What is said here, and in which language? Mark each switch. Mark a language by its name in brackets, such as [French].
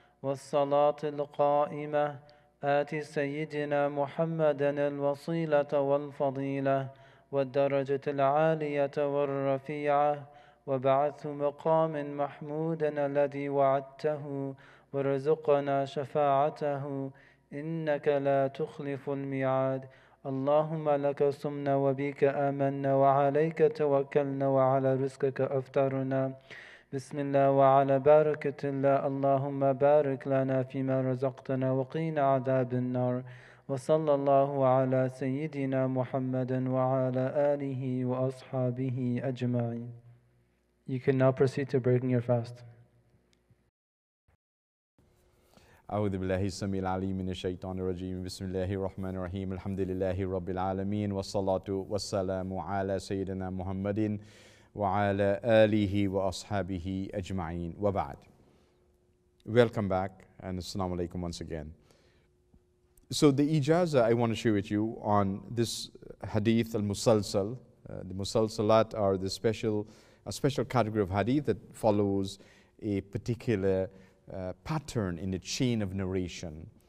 [Arabic] والصلاة القائمة آتي سيدنا محمدا الوصيلة والفضيلة والدرجة العالية والرفيعة وبعث مقام محمودا الذي وعدته ورزقنا شفاعته إنك لا تخلف الميعاد اللهم لك صمنا وبك آمنا وعليك توكلنا وعلى رزقك أفطرنا بسم الله وعلى بركة الله اللهم بارك لنا فيما رزقتنا وقينا عذاب النار وصلى الله على سيدنا محمد وعلى آله وأصحابه أجمعين. [English] You can now proceed to breaking your fast. [Arabic] أعوذ بالله السميع العليم من الشيطان الرجيم بسم الله الرحمن الرحيم الحمد لله رب العالمين والصلاة والسلام على سيدنا محمد وعلى آله وأصحابه أجمعين وبعد. [English] Welcome back and assalamu alaikum once again. So the ijazah I want to share with you on this hadith al-musalsal. The musalsalat are the special category of hadith that follows a particular pattern in the chain of narration.